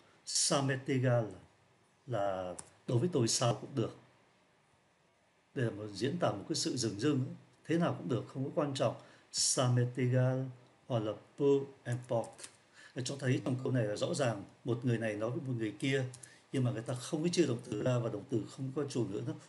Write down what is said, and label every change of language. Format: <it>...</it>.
<fr>Ça m'est égal</fr> <vi>là đối với tôi sao cũng được. Đây là một diễn tả một cái sự dửng dưng, thế nào cũng được, không có quan trọng.</vi> <fr>Ça m'est égal hoặc là peu importe.</fr> <vi>Để cho thấy trong câu này là rõ ràng một người này nói với một người kia, nhưng mà người ta không có chia động từ ra và động từ không có chủ nữa.</vi>